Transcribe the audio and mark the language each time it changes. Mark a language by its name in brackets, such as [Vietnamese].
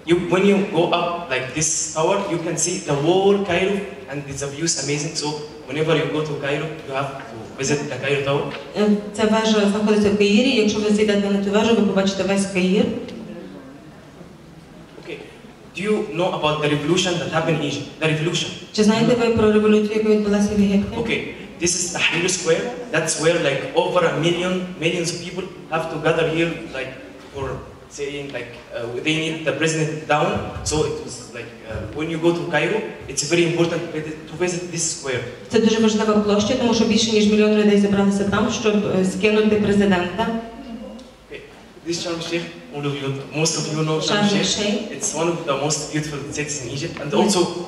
[English] When you go up like this tower, you can see the whole Cairo, and the view is amazing. So whenever you go to Cairo, you have to visit the Cairo Tower. [Ukrainian] Ця вежа знаходиться в Каїрі. Якщо ви зайдете на цю вежу, ви побачите весь Каїр. [English] Okay. Do you know about the revolution that happened in Egypt? The revolution. [Ukrainian] Чи знаєте ви про революцію, яка відбулася в Єгипті? [English] Okay. This is the Tahrir Square. That's where like over a million, millions of people have to gather here, like for saying like they need the president down. So it was like when you go to Cairo, it's very important to visit this square. [Ukrainian] Це дуже важлива площа, тому що більше ніж мільйон людей зібралися там, щоб скинути президента. [English] This Sharm el-Sheikh, all of you, most of you know Sharm el-Sheikh. It's one of the most beautiful cities in Egypt, and also